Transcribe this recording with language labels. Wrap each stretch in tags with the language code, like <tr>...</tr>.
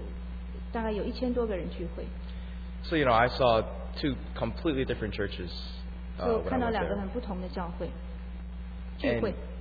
<zh>然后另外一个教会是非常的年轻，他们的年龄都很年轻，然后也各个大概有1000多个人聚会。</zh> <en>So you know, I saw two completely different churches.</en> <zh>看到两个很不同的教会聚会。</zh>